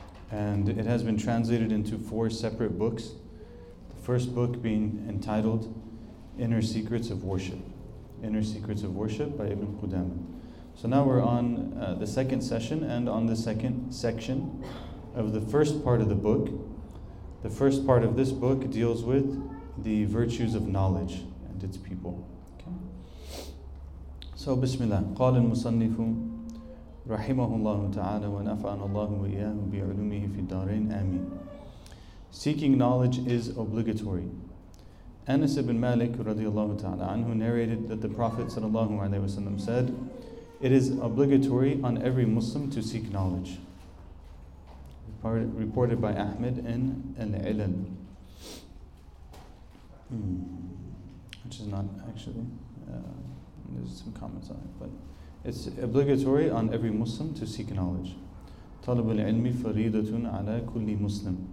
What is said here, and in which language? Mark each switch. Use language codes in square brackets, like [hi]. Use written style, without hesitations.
[en] And it has been translated into 4 separate books, the first book being entitled Inner Secrets of Worship, Inner Secrets of Worship by Ibn Qudama. So now we're on the second session and on the second section of the first part of the book. The first part of this book deals with the virtues of knowledge and its people. Okay. So Bismillah. [ar] قال المصنف رحمه الله تعالى ونفعنا الله وإياه بعلومه في الدارين آمين. [en] Seeking knowledge is obligatory. Anas ibn Malik [ar] رضي الله تعالى عنه [en] narrated that the Prophet [ar] صلى الله عليه وسلم [en] said, "It is obligatory on every Muslim to seek knowledge." Reported by Ahmed in Al-Ilal. Which is not actually, there's some comments on it, but it's obligatory on every Muslim to seek knowledge. [ar] طلب العلم فريضة على كل مسلم.